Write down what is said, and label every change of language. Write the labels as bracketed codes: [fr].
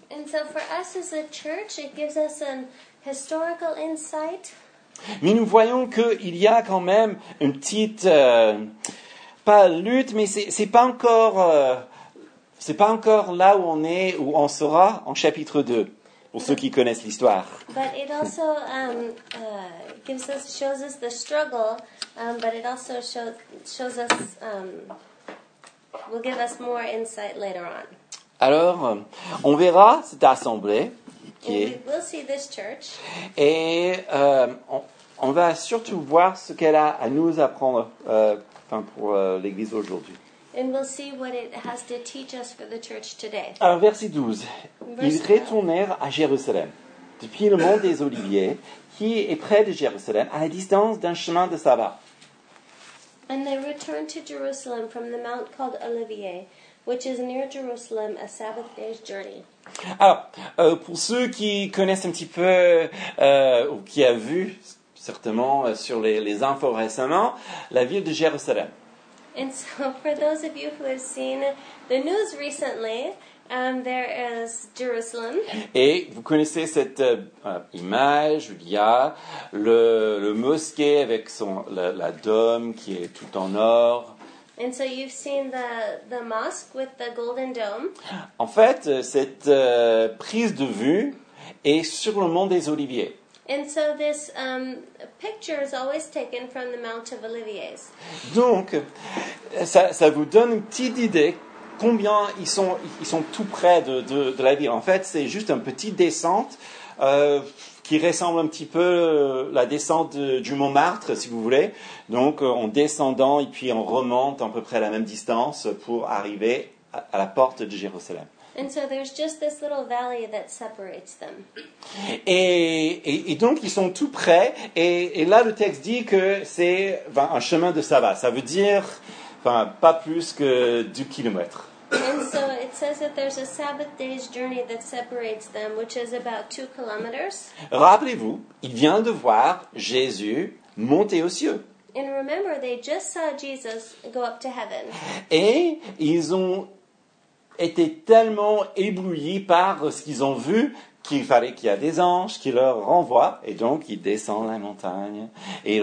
[en] And so for us as a church, it gives us an historical insight. [fr] Mais nous voyons qu'il y a quand même une petite, pas lutte, mais c'est pas encore là où on est, où on sera en chapitre 2, pour ceux qui connaissent l'histoire. [en] But it also shows us the struggle, but it also shows us, will give us more insight later on. [fr] Alors, on verra cette assemblée. [en] Okay. And we will see this church. [fr] Et on va surtout voir ce qu'elle a à nous apprendre pour l'Église aujourd'hui. [en] And we'll see what it has to teach us for the church today. [fr] Alors, verset 12. Ils retournèrent à Jérusalem, depuis le mont des Oliviers, qui est près de Jérusalem, à la distance d'un chemin de sabbat. [en] And they returned to Jerusalem from the mount called Olivier, which is near Jerusalem, a Sabbath day's journey. [fr] Alors, pour ceux qui connaissent un petit peu, ou qui ont vu, certainement, sur les infos récemment, la ville de Jérusalem. [en] And so, for those of you who have seen the news recently, there is Jerusalem. [fr] Et vous connaissez cette image où il y a le mosquée avec la dôme qui est tout en or. [en] And so you've seen the mosque with the golden dome. [fr] En fait, cette prise de vue est sur le mont des Oliviers. [en] And so this picture is always taken from the Mount of Olivier's. [fr] Donc, ça vous donne une petite idée combien ils sont tout près de la ville. En fait, c'est juste une petite descente qui ressemble un petit peu la descente du Montmartre, si vous voulez. Donc, en descendant et puis en remontant à peu près la même distance pour arriver à la porte de Jérusalem. [en] And so there's just this little valley that separates them. [fr] Et donc ils sont tout près. Et là le texte dit que c'est un chemin de sabbat. Ça veut dire, pas plus que 2 kilomètres. [en] And so it says that there's a Sabbath day's journey that separates them, which is about 2 kilometers. [fr] Rappelez-vous, ils viennent de voir Jésus monter aux cieux. [en] And remember, they just saw Jesus go up to heaven. [fr] Et ils ont étaient tellement éblouis par ce qu'ils ont vu qu'il fallait qu'il y ait des anges qui leur renvoient. Et donc, ils descendent la montagne et ils